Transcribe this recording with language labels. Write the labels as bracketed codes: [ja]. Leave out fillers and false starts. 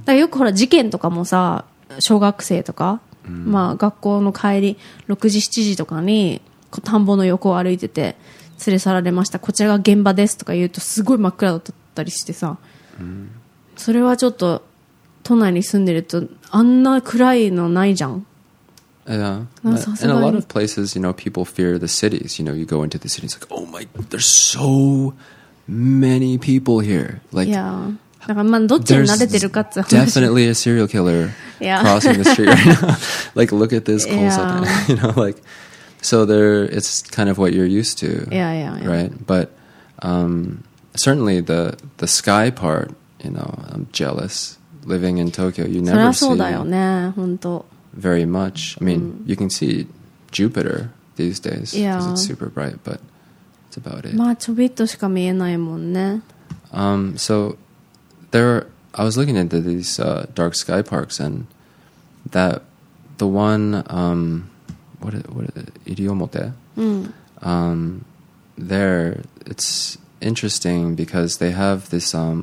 [ja] だからよくほら事件とかもさ、小学生とか、まあ学校の帰り6時7時とかに田んぼの横を歩いてて連れ去られました、こちらが現場ですとか言うとすごい真っ暗だったりしてさ、それはちょっと都内に住んでるとあんな暗いのないじゃん。 [en] In a lot of places, you know, people fear the cities. You know, you go into the city, it's like, oh my, there's so many people here. Like, there's definitely a serial killer crossing the street right now. Like, look at this cold sun. You know, like, so there, it's kind of what you're used to. Yeah. Right? But certainly the sky part, you know, I'm jealous. Living in Tokyo, you never see. [ja] そうだよね、本当。 [en] Very much. I mean, you can see Jupiter these days because it's super bright, but it's about it. [ja] まあちょびっとしか見えないもんね。 [en] So there, I was looking into these dark sky parks, and that the one, what is it? Iriomote. There, it's interesting because they have this.